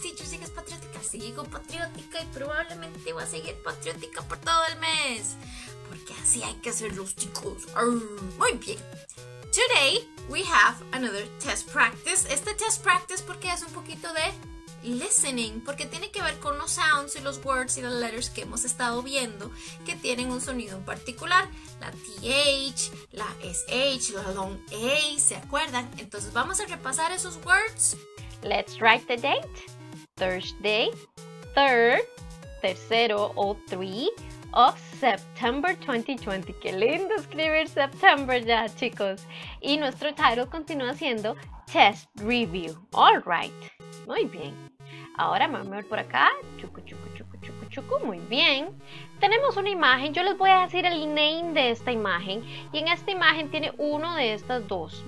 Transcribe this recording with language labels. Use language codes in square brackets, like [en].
[es] Teacher, ¿sigues patriótica? Sigo patriótica y probablemente voy a seguir patriótica por todo el mes. Porque así hay que hacer los chicos. Muy bien. [en] Today, we have another test practice. [es] Este test practice porque es un poquito de listening. Porque tiene que ver con los sounds y los words y las letters que hemos estado viendo que tienen un sonido en particular. La TH, la SH, la long A, ¿se acuerdan? Entonces vamos a repasar esos words. [en] Let's write the date. Thursday, third, [es] tercero o [en] three of September 2020. [es] ¡Qué lindo escribir September ya, chicos! Y nuestro title continúa siendo Test Review. [en] All right. [es] Muy bien. Ahora vamos a ver por acá. Chucu, chucu, chucu, chucu, chucu. Muy bien. Tenemos una imagen. Yo les voy a decir el name de esta imagen. Y en esta imagen tiene uno de estas dos.